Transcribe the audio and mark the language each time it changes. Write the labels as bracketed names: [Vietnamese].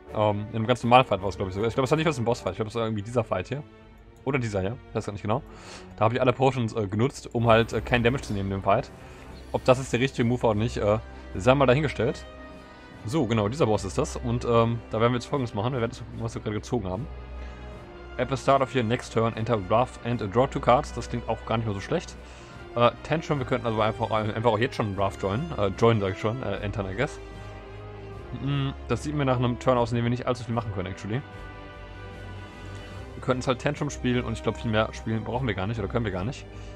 [German] In einem ganz normalen Fight war es, glaube ich, sogar. Ich glaube, es war nicht was ein Boss-Fight. Ich glaube, es war irgendwie dieser Fight hier. Oder dieser, ja. Ich weiß gar nicht genau. Da habe ich alle Potions genutzt, um halt kein Damage zu nehmen in dem Fight. Ob das jetzt der richtige Move war oder nicht, sei mal dahingestellt. So, genau, dieser Boss ist das. Und da werden wir jetzt Folgendes machen. Wir werden das, was wir gerade gezogen haben. [English] At the start of your next turn, enter Wrath and draw 2 cards. [German] Das klingt auch gar nicht mehr so schlecht. Tension, wir könnten also einfach auch jetzt schon Wrath joinen. Entern, [English] I guess. [German] Das sieht mir nach einem Turn aus, in dem wir nicht allzu viel machen können, actually. Wir könnten es halt Tantrum spielen und ich glaube, viel mehr spielen brauchen wir gar nicht oder können wir gar nicht.